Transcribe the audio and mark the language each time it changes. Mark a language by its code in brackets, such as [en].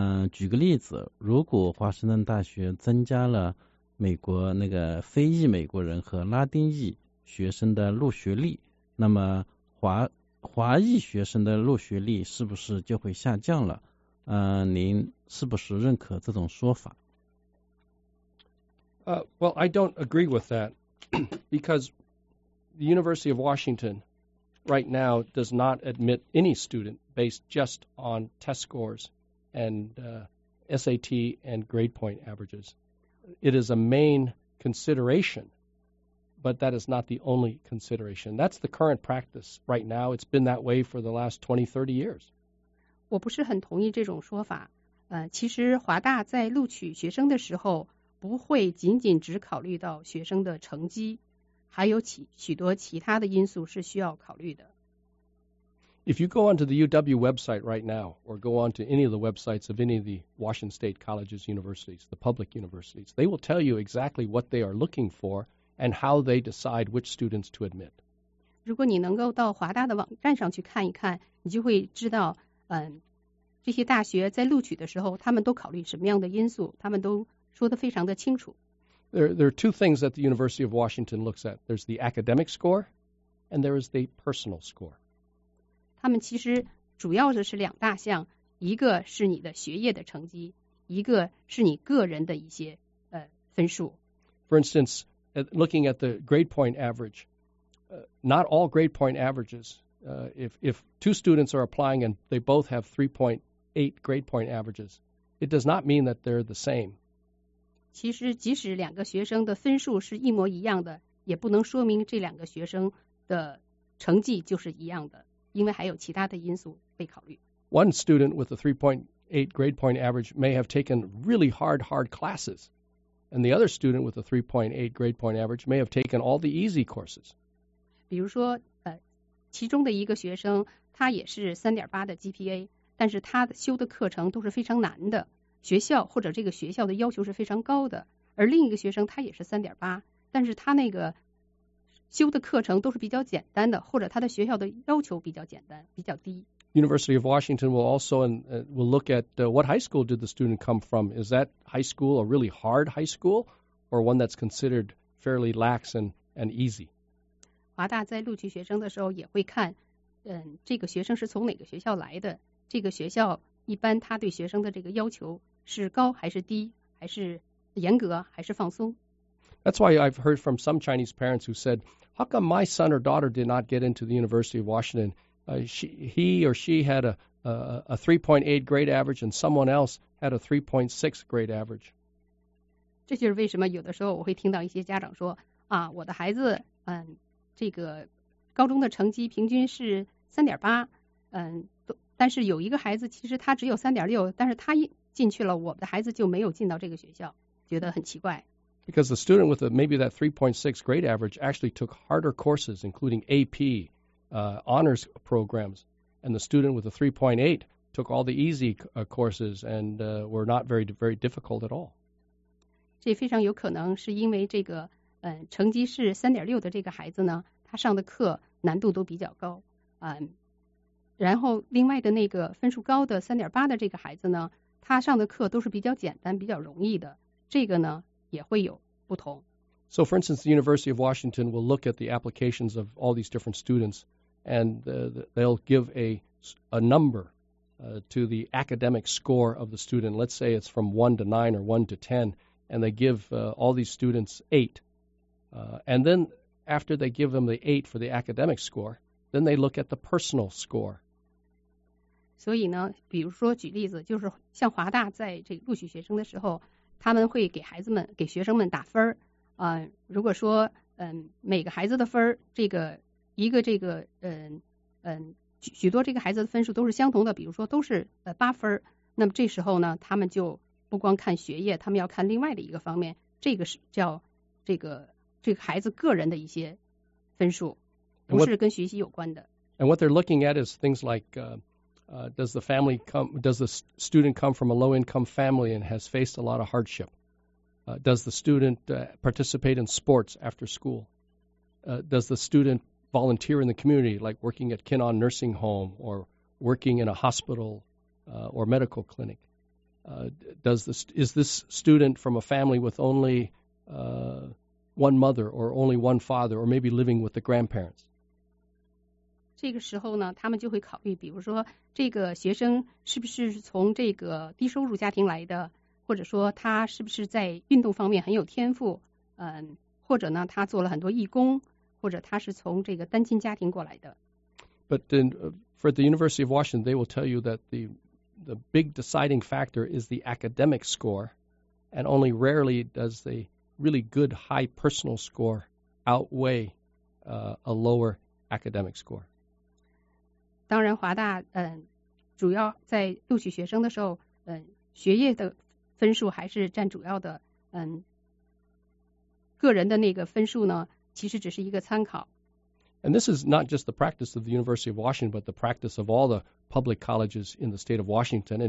[zh] 举个例子，如果华盛顿大学增加了美国那个非裔美国人和拉丁裔学生的入学率，那么华裔学生的入学率是不是就会下降了？您是不是认可这种说法？ [en] Well, I don't agree with that because the University of Washington right now does not admit any student based just on test scores and SAT and grade point averages. It is a main consideration, but that is not the only consideration. That's the current practice right now. It's been that way for the last 20, 30 years. [zh] 我不是很同意这种说法。其实华大在录取学生的时候不会仅仅只考虑到学生的成绩，还有许多其他的因素是需要考虑的。 [en] If you go onto the UW website right now, or go onto any of the websites of any of the Washington State colleges, universities, the public universities, they will tell you exactly what they are looking for and how they decide which students to admit. [zh] 如果你能够到华大的网站上去看一看，你就会知道，这些大学在录取的时候，他们都考虑什么样的因素，他们都说得非常的清楚。 [en] There are two things that the University of Washington looks at. There's the academic score, and there is the personal score. [zh] 他们其实主要的是两大项，一个是你的学业的成绩，一个是你个人的一些分数。 [en] For instance, looking at the grade point average, not all grade point averages. If two students are applying and they both have 3.8 grade point averages, it does not mean that they're the same. [zh] 其实即使两个学生的分数是一模一样的，也不能说明这两个学生的成绩就是一样的，因为还有其他的因素被考虑。 [en] One student with a 3.8 grade point average may have taken really hard classes, and the other student with a 3.8 grade point average may have taken all the easy courses. [zh] 比如说，其中的一个学生，他也是 3.8 的 GPA, 但是他修的课程都是非常难的，学校或者这个学校的要求是非常高的，而另一个学生他也是 3.8, 但是他那个修的课程都是比较简单的，或者他的学校的要求比较简单，比较低。 [en] University of Washington will also will look at what high school did the student come from. Is that high school a really hard high school, or one that's considered fairly lax and easy? [zh] 华大在录取学生的时候也会看，这个学生是从哪个学校来的，这个学校一般他对学生的这个要求是高还是低，还是严格还是放松。 [en] That's why I've heard from some Chinese parents who said, how come my son or daughter did not get into the University of Washington? He or she had a 3.8 grade average and someone else had a 3.6 grade average. [zh] 这就是为什么有的时候我会听到一些家长说啊，我的孩子嗯，这个高中的成绩平均是 3.8 但是有一个孩子其实他只有 3.6 但是他进去了我的孩子就没有进到这个学校觉得很奇怪。 [en] Because the student with maybe that 3.6 grade average actually took harder courses, including AP, honors programs, and the student with a 3.8 took all the easy courses and were not very, very difficult at all. [zh] 这非常有可能是因为这个成绩是 3.6 的这个孩子呢，他上的课难度都比较高。然后另外的那个分数高的 3.8 的这个孩子呢，他上的课都是比较简单、比较容易的。这个呢也会有不同。 [en] So for instance, the University of Washington will look at the applications of all these different students and they'll give a number to the academic score of the student. Let's say it's from 1 to 9 or 1 to 10 and they give all these students 8. And then after they give them the 8 for the academic score, then they look at the personal score. [zh] 所以呢，比如说举例子，就是像华大在这录取学生的时候他们会给孩子们给学生们打分儿如果说每个孩子的分儿这个一个这个许多这个孩子的分数都是相同的比如说都是八分儿那么这时候呢他们就不光看学业他们要看另外的一个方面这个是叫这个孩子个人的一些分数不是跟学习有关的。 [en] And what they're looking at is things like, does the family come? Does the student come from a low-income family and has faced a lot of hardship? Does the student participate in sports after school? Does the student volunteer in the community, like working at Kinon Nursing Home or working in a hospital or medical clinic? Is this student from a family with only one mother or only one father or maybe living with the grandparents? [zh] 这个时候呢他们就会考虑比如说这个学生是不是从这个低收入家庭来的或者说他是不是在运动方面很有天赋或者呢他做了很多义工或者他是从这个单亲家庭过来的。 [en] But then, for the University of Washington, they will tell you that the big deciding factor is the academic score, and only rarely does a really good high personal score outweigh a lower academic score. [zh] 当然华大主要在录取学生的时候学业的分数还是占主要的个人的那个分数呢其实只是一个参考。 [en] And this is not just the practice of the University of Washington, but the practice of all the public colleges in the state of Washington.